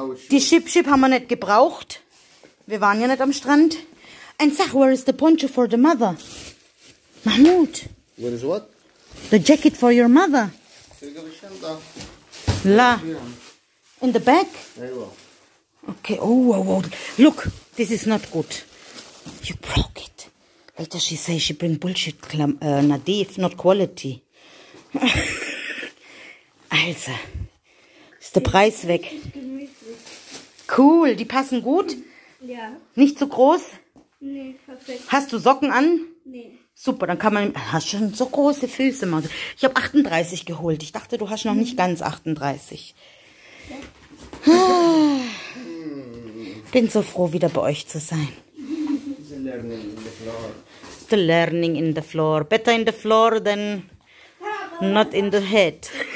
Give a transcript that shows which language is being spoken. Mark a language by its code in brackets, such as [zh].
[de] Die Ship haben wir nicht gebraucht. Wir waren ja nicht am Strand. Und sag, [en] where is the poncho for the mother? Mahmoud. Where is what? The jacket for your mother. La. In the back? Okay, oh, wow, oh, oh. Look, this is not good. You broke it. Later she says she bring bullshit, Nadif, not quality. [de] Also. Ist der Preis weg? Cool, die passen gut? Ja. Nicht zu groß? Nee, perfekt. Hast du Socken an? Nee. Super, dann kann man... Hast schon so große Füße, Mann. Ich habe 38 geholt. Ich dachte, du hast noch nicht ganz 38. Ja. Bin so froh, wieder bei euch zu sein. [en] The learning in the floor. The learning in the floor. Better in the floor than not in the head.